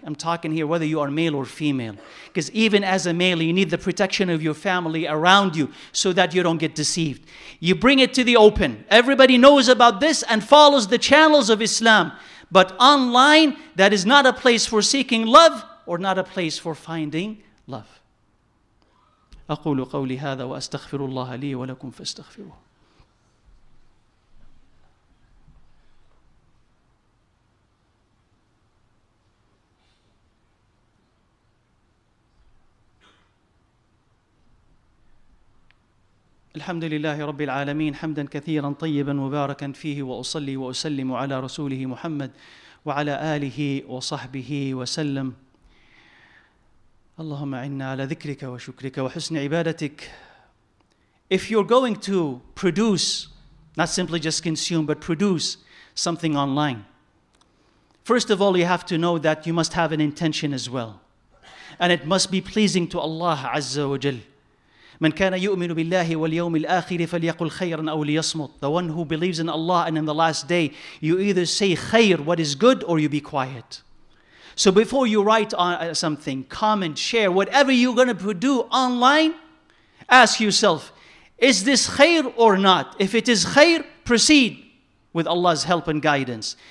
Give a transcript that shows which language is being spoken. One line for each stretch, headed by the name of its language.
English: I'm talking here whether you are male or female. Because even as a male, you need the protection of your family around you so that you don't get deceived. You bring it to the open. Everybody knows about this and follows the channels of Islam. But online, that is not a place for seeking love or not a place for finding love.
Arabic: أقول قولي هذا وأستغفر الله لي ولكم فاستغفروه. الحمد لله رب العالمين حمدا كثيرا طيبا مباركا فيه وأصلي وأسلم على رسوله محمد وعلى آله وصحبه وسلم اللهم عنا على ذكرك وشكرك وحسن عبادتك.
English: If you're going to produce, not simply just consume, but produce something online, first of all, you have to know that you must have an intention as well. And it must be pleasing to Allah Azza wa Jal.
Arabic: من كان يؤمن بالله واليوم الآخر فليقل خيرا أو ليصمت.
English: The one who believes in Allah and in the last day, you either say khair, what is good, or you be quiet. So before you write on something, comment, share, whatever you're going to do online, ask yourself, is this khair or not? If it is khair, proceed with Allah's help and guidance.